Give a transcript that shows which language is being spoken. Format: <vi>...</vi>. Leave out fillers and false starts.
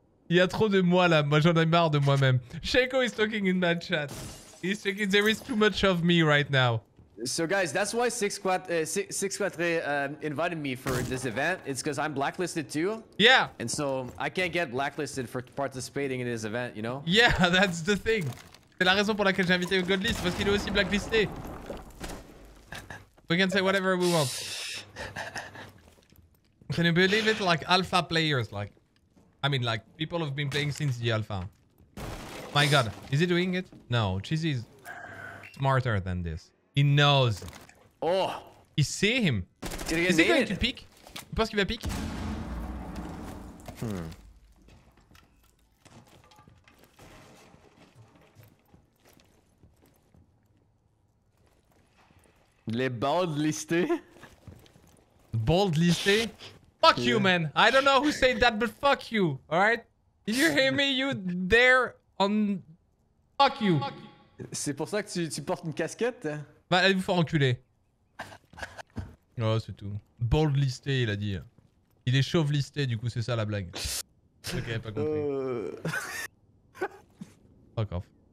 <fr>Il y a trop de moi là, moi j'en ai marre de moi-même.</fr> <en>Shako is talking in my chat. He's thinking there is too much of me right now. So guys, that's why SixQuatre invited me for this event. It's because I'm blacklisted too. Yeah. And so I can't get blacklisted for participating in this event, you know? Yeah, that's the thing.</en> <fr>C'est la raison pour laquelle j'ai invité Godlist, parce qu'il est aussi blacklisté.</fr> <en>We can say whatever we want. Can you believe it? Like alpha players, like. I mean, like, people have been playing since the alpha. My god, is he doing it? No, Cheezzy is smarter than this. He knows. Oh! He see him. Did he get is needed? He going to peek? You</en> <fr>pense qu'il va</fr> <en>peek?</en> <fr>Les bald listés.</fr> <en>Bald listés? Fuck you, man. I don't know who said that, but fuck you, alright? Did you hear me? You there on... Fuck you.</en> <fr>C'est pour ça que tu portes une casquette? Bah, allez vous faire enculer. Oh, c'est tout. Bald listé, il a dit. Il est chauve listé, du coup, c'est ça la blague. Ok, pas compris.</fr> <en>Fuck off.</en>